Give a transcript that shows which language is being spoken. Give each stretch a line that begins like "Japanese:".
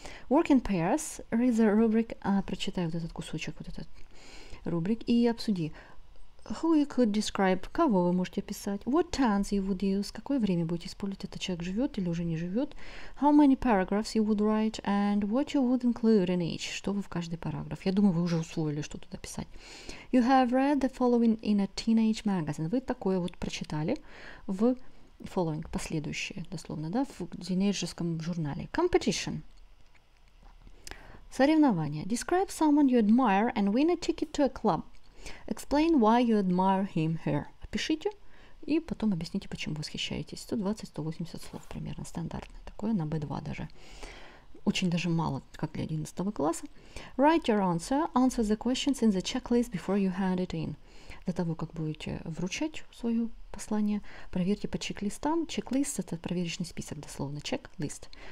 English: Work in pairs, read the rubric,
Russian: прочитай вот этот кусочек, вот этот рубрик, и обсуди.
English: Who you could describe,
Russian: кого вы можете описать,
English: what tense you would use,
Russian: какое время будете использовать, это человек живет или уже не живет,
English: how many paragraphs you would write, and what you would include in each,
Russian: что вы в каждый параграф. Я думаю, вы уже усвоили, что тут описать.
English: You have read the following in a teenage magazine.
Russian: Вы такое вот прочитали в following, последующее, дословно, да, в тинейджерском журнале. Competition. Соревнования.
English: Describe someone you admire and win a ticket to a club. Explain why you admire him her.
Russian: Опишите и потом объясните, почему восхищаетесь. 120-180 слов примерно, стандартное такое, на B2 даже. Очень даже мало, как для 11 класса.
English: Write your answer. Answer the questions in the checklist before you hand it in.
Russian: До того, как будете вручать свое послание, проверьте по чек-листам. Чек-лист — это проверочный список, дословно, чек-лист.